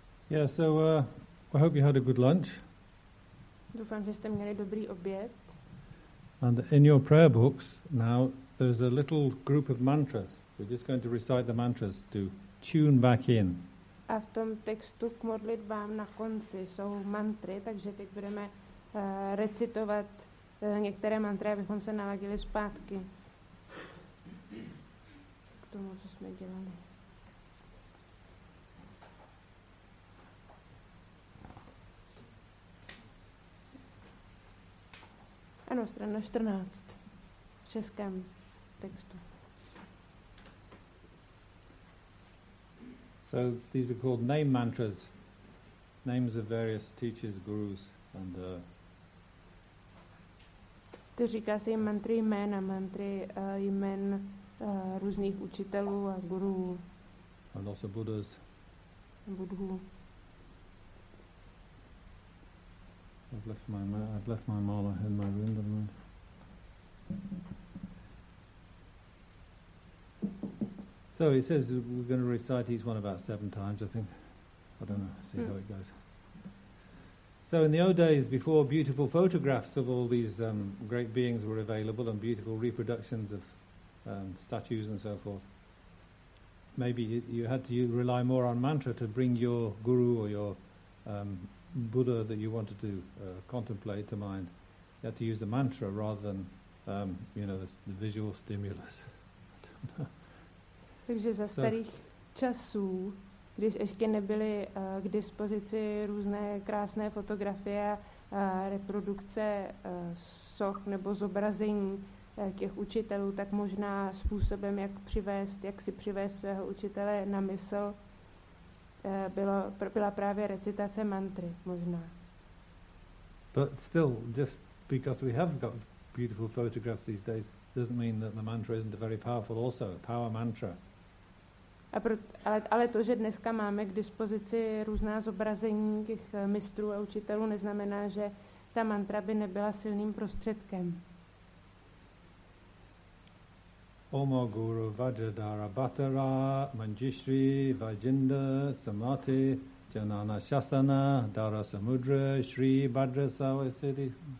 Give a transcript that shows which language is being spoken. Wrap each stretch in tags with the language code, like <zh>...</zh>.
<en>Yeah, so I hope you had a good lunch.</en> <cs>Doufám, že jste měli dobrý oběd.</cs> <en>And in your prayer books now, there's a little group of mantras. We're just going to recite the mantras to tune back in.</en> <cs>A v tom textu k modlitbám na konci jsou mantry, takže teď budeme recitovat některé mantry, abychom se naladili zpátky k tomu, co jsme dělali. Ano, strana 14 v českém textu.</cs> <en>So these are called name mantras, names of various teachers, gurus, and.</en> <cs>To říká se mantry jména, mantry jmen různých učitelů a gurů.</cs> <en>And also Buddhas.</en> <cs>Budhu.</cs> <en>I've left my mala in my room, didn't I? So he says we're going to recite each one about seven times, I think. I don't know, see how it goes. So in the old days, before beautiful photographs of all these great beings were available and beautiful reproductions of statues and so forth, maybe you had to rely more on mantra to bring your guru or your Buddha that you wanted to contemplate to mind. You had to use the mantra rather than, the visual stimulus.</en> <cs>Takže za starých časů, když ještě nebyly k dispozici různé krásné fotografie a reprodukce soch nebo zobrazení těch učitelů, tak možná způsobem, jak si přivést svého učitele na mysl, byla právě recitace mantry, možná.</cs> <en>But still, just because we have got beautiful photographs these days, doesn't mean that the mantra isn't a very powerful also, a power mantra.</en> <cs>Ale to, že dneska máme k dispozici různá zobrazení těch mistrů a učitelů, neznamená, že ta mantra by nebyla silným prostředkem.</cs> <sa>Omo guru vajradhara bhattara manjishri vajinda samati janana shasana dara samudra shri bhadrasava siddhi.</sa>